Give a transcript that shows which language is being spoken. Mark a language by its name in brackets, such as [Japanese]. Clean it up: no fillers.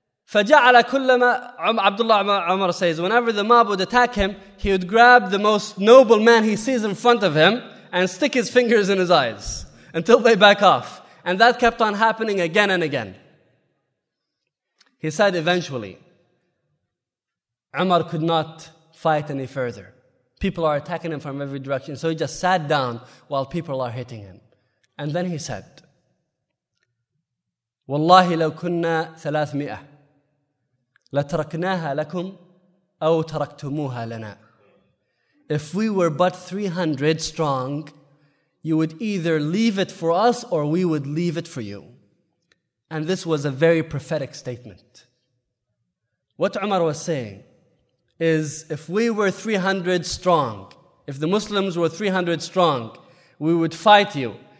[Arabic] فَجَعَلَ كُلَّمَا [English] Abdullah Umar says, whenever the mob would attack him, he would grab the most noble man he sees in front of him and stick his fingers in his eyes until they back off. And that kept on happening again and again. He said eventually, Umar could not fight any further. People are attacking him from every direction, so he just sat down while people are hitting him. And then he said, [Arabic] وَاللَّهِ لَوْ كُنَّا 300 لَتَرَكْنَاهَا لَكُمْ أَوْ تَرَكْتُمُوهَا لَنَا. [English] If we were but 300 strong, you would either leave it for us or we would leave it for you. And this was a very prophetic statement. What Umar was saying is, if we were 300 strong, if the Muslims were 300 strong, we would fight you.